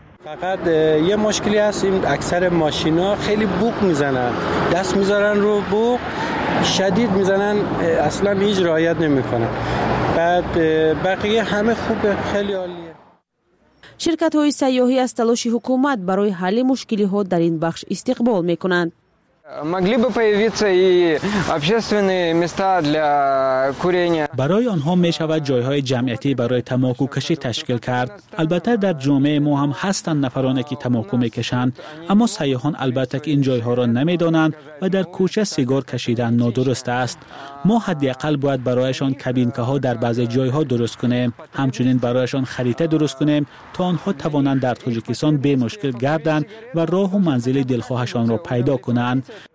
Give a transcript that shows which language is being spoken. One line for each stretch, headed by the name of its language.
Persian: فقط یه مشکلی هست، این اکثر ماشینا خیلی بوق میزنن، دست میذارن رو بوق شدید میزنن، اصلا هیچ رعایت نمیکنن. بعد بقیه همه خوبه، خیلی عالیه. شرکت های سیاحی از تلاش حکومت برای حل مشکلی ها در این بخش استقبال می کنند.
Russian: могли бы появиться и общественные места для курения.
Persian: برای آنها می شود جای های جمعیتی برای تماکو کشی تشکیل کرد. البته در جامعه ما هم هستند نفرانی که تماکو می کشند، اما سیاحان البته که این جای ها را نمی دانند و در کوچه سیگار کشیدن نادرست است. ما حداقل باید برایشان کابینکه ها در بعضی جای ها درست کنیم، همچنین برایشان خریده درست کنیم تا آنها توانند در تاجیکستان به مشکل گردند و راه و منزل دلخواهشان را پیدا کنند.